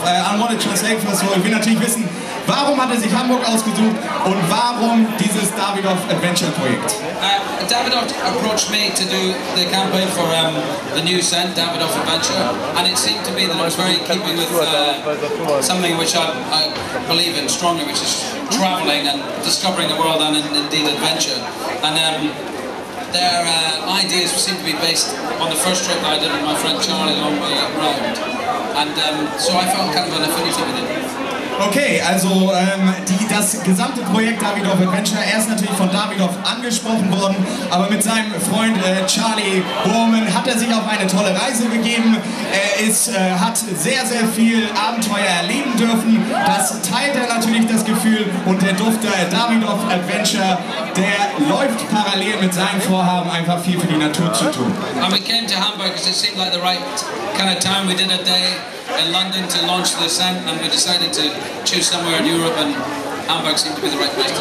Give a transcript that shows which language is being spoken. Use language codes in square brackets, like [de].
[en] I want to translate first of all. [de] Ich will natürlich wissen, warum hat sich Hamburg ausgesucht und warum dieses Davidoff Adventure Projekt? [en] Davidoff approached me to do the campaign for the new scent, Davidoff Adventure, and it seemed to me that it was very in keeping with something which I believe in strongly, which is travelling and discovering the world and indeed adventure. And their ideas seemed to be based on the first trip I did with my friend Charlie long way around. And so I felt kind of an affinity with it. [de] Okay, also das gesamte Projekt Davidoff Adventure, er ist natürlich von Davidoff angesprochen worden, aber mit seinem Freund Charlie Bormann hat er sich auf eine tolle Reise begeben. Er hat sehr, sehr viel Abenteuer erleben dürfen. Das teilt er natürlich, das Gefühl, und der Duft der Davidoff Adventure, der läuft parallel mit seinem Vorhaben, einfach viel für die Natur zu tun. [en] And we came to Hamburg because it seemed like the right kind of time. We did a day in London to launch the scent, and we decided to choose somewhere in Europe, and Hamburg seemed to be the right place.